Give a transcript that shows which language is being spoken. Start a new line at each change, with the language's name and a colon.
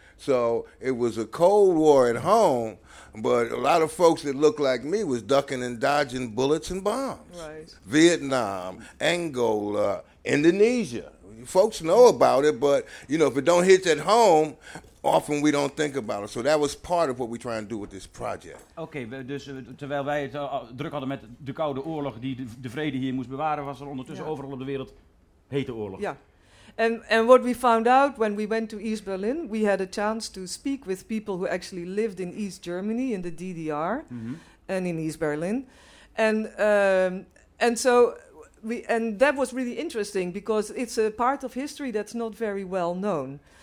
English: So it was a Cold War at home, but a lot of folks that looked like me was ducking and dodging bullets and bombs. Right. Vietnam, Angola, Indonesia. Folks know about it, but you know, if it don't hit at home, often we don't think about it. So that was part of what we try and do with this project.
Dutch: Okay, dus terwijl wij het druk hadden met de Koude Oorlog die de vrede hier moest bewaren, was er ondertussen overal op de wereld hete oorlog. Ja.
English: And what we found out when we went to East Berlin, we had a chance to speak with people who actually lived in East Germany in the DDR and in East Berlin. And that was really interesting because it's a part of history that's not very well known.